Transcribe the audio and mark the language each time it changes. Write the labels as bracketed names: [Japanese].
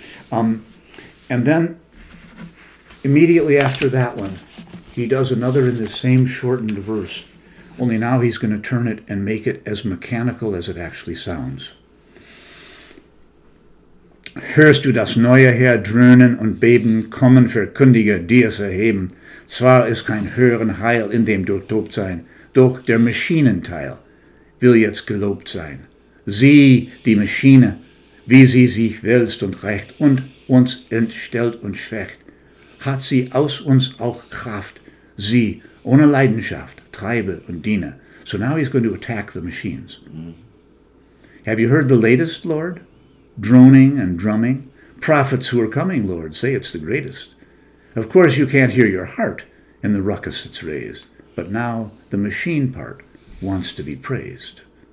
[English] And then immediately after that one, he does another in the same shortened verse, only now he's going to turn it and make it as mechanical as it actually sounds. [German] Hörst du das neue Herr dröhnen und beben, kommen verkündige, die es erheben. Zwar ist kein Hören heil in dem durchtobt sein, doch der Maschinenteil will jetzt gelobt sein. Sieh die Maschine, wie sie sich wälzt und rächt und uns entstellt und schwächt. Hat sie aus uns auch Kraft, sie ohne Leidenschaft treibe und diene. [English] So now he's going to attack the machines. Have you heard the latest, Lord? Droning and drumming. Prophets who are coming, Lord, say it's the greatest. Of course you can't hear your heart in the ruckus it's raised, but now the machine part wants to be praised.